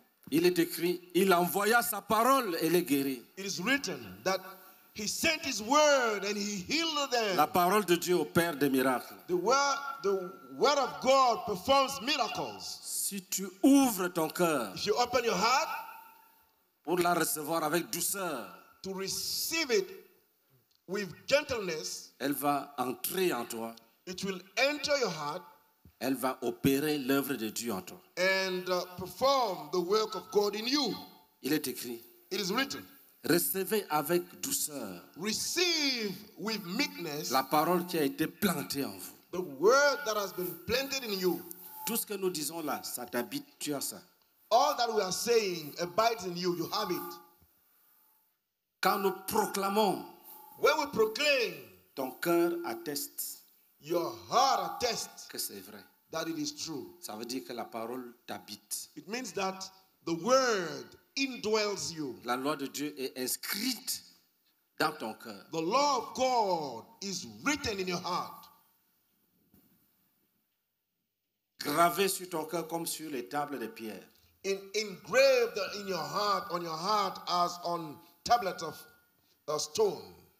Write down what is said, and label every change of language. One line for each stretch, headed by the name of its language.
French: Il est écrit, il envoya sa parole et les guérit.
English: It is written that he sent his word and he healed them.
French: La parole de Dieu opère des miracles.
English: The word of God performs miracles.
French: Si tu ouvres ton cœur,
English: if you open your heart,
French: pour la recevoir avec douceur,
English: to receive it with gentleness,
French: elle va entrer en toi.
English: It will enter your heart,
French: elle va opérer l'œuvre de Dieu en toi.
English: And perform the work of God in you.
French: Il est écrit.
English: It is written.
French: Recevez avec douceur.
English: Receive with meekness.
French: La parole qui a été plantée en vous.
English: The word that has been planted in you.
French: Tout ce que nous disons là, ça t'habite, tu as ça.
English: All that we are saying abides in you. You have it.
French: Quand nous proclamons,
English: when we proclaim,
French: ton cœur atteste,
English: your heart attests,
French: que c'est vrai,
English: that it is true.
French: Ça veut dire que la parole t'habite.
English: It means that the word indwells you.
French: La loi de Dieu est inscrite dans ton cœur.
English: The law of God is written in your heart.
French: Gravé sur ton cœur comme sur les tables de pierre.
English: Engraved in your heart, on your heart, as on tablets of stone.